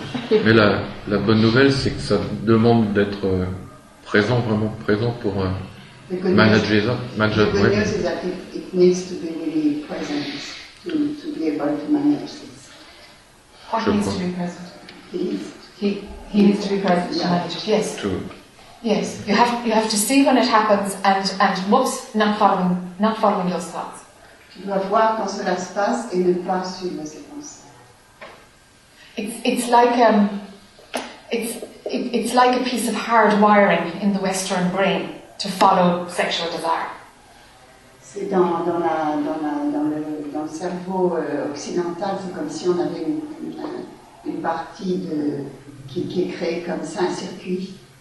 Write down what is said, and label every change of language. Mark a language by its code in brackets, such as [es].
[fr] Mais la bonne nouvelle, c'est que ça demande d'être présent, vraiment présent pour manager ça. [en] The good news is that it needs to be really present to be able to manage this. What needs to be present? He needs to be present to manage it. Yes. True. Yes, you have to see when it happens and whoops, not following those thoughts. [fr] Tu dois voir quand cela se passe et ne pas suivre ces pensées. [en] It's like a piece of hard wiring in the Western brain to follow sexual desire. [fr] C'est dans le cerveau occidental, c'est comme si on avait une partie de qui est créée comme ça, un circuit.